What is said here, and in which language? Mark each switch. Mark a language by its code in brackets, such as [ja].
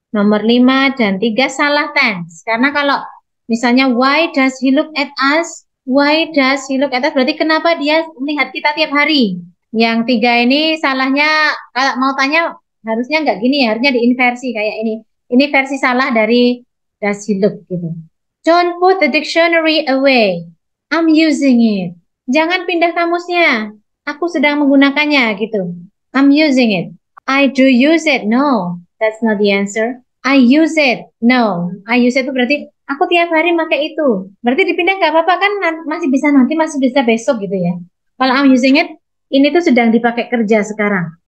[id] Nomor 5 dan 3 salah tense, karena kalau misalnya [en] why does he look at us, [id] berarti kenapa dia melihat kita tiap hari. Yang 3 ini salahnya, kalau mau tanya harusnya enggak gini ya, harusnya diinversi kayak ini versi salah dari [en] does he look [id] gitu. [en] Don't put the dictionary away, I'm using it. [id] Jangan pindah kamusnya. Aku sedang menggunakannya, gitu. [en] I'm using it. I do use it. No, that's not the answer. I use it. [id] No, [en] I use it [id] itu berarti aku tiap hari pakai itu. Berarti dipindah nggak apa-apa kan, masih bisa nanti, masih bisa besok, gitu ya. Kalau [en] I'm using it, [id] ini tuh sedang dipakai kerja sekarang.